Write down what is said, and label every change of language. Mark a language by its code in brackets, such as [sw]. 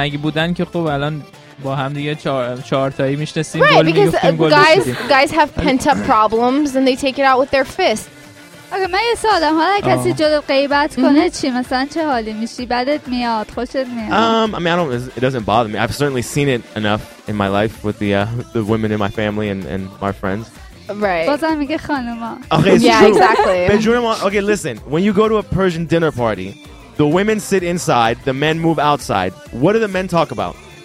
[fa] اگه بودن که خب الان با هم دیگه چهارتایی میشنسیم. [en] Right, because guys have pent-up problems and they take it out with their fists. [fa] Okay, من یه سوالم. حالا کسی جلو غیبت کنه چی؟ مثلا چه حالی میشی؟ بدت میاد؟ خوشت میاد؟ [en] It doesn't bother me. I've certainly seen it enough in my life with the women in my family and my friends. Right. [fa] بازم میگه خانوما. [en] Okay, it's true. Yeah, exactly. Okay, listen. When you go to a Persian dinner party, the women sit inside, the men move outside. What do the men talk about?